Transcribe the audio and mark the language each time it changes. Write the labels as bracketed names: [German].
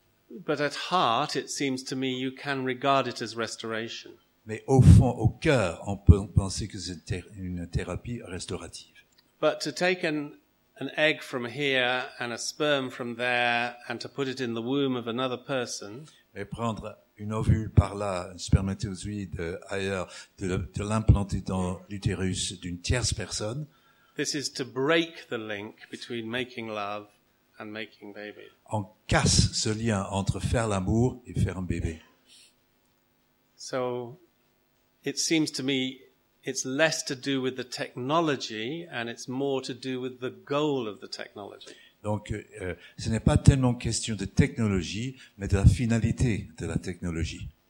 [English] But at heart, it seems to me you can regard it as restoration. [French] Mais au fond, au cœur, on peut penser que c'est une thérapie restaurative. [English] But to take an egg from here and a sperm from there and to put it in the womb of another person. [French] Et prendre une ovule par là, un spermatozoïde ailleurs, de l'implanter dans l'utérus d'une tierce personne. [English] This is to break the link between making love and making babies. [French] On casse ce lien entre faire l'amour et faire un bébé. [English] So, it seems to me, it's less to do with the technology and it's more to do with the goal of the technology. [French] Donc, ce n'est pas tellement question de technologie, mais de la finalité de la technologie.